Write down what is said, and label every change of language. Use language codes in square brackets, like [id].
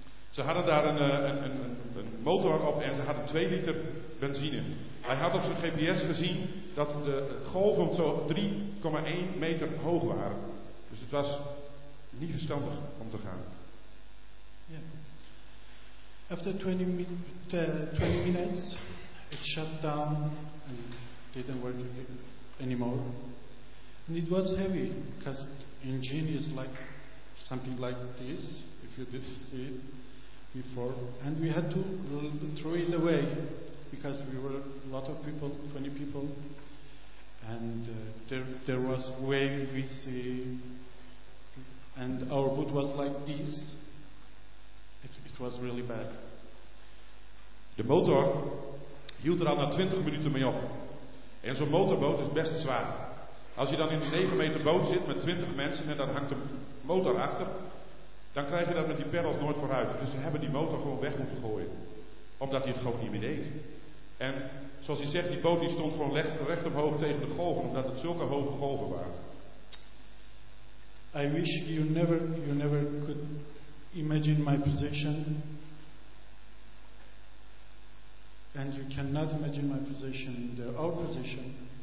[nl] Ze hadden daar een motor op en ze hadden 2 liter benzine. Hij had op zijn GPS gezien dat de golven zo 3,1 meter hoog waren. Dus het was niet verstandig om te gaan. [en] Yeah. After 20 minutes, it shut down and didn't work anymore. And it was heavy, because the engine is like something like this, if you did see it. Before, and we had to throw it away because we were a lot of people, 20 people, and there was wave sea, and our boat was like this. It was really bad. [nl] De motor hield er al na 20 minuten mee op. En zo'n motorboot is best zwaar. Als je dan in een 9 meter boot zit met 20 mensen en dan hangt de motor achter, dan krijg je dat met die pedals nooit vooruit. Dus ze hebben die motor gewoon weg moeten gooien. Omdat hij het gewoon niet meer deed. En zoals hij zegt, die boot die stond gewoon recht omhoog tegen de golven. Omdat het zulke hoge golven waren. [en] I wish you never could imagine my position. And you cannot imagine my position, our position.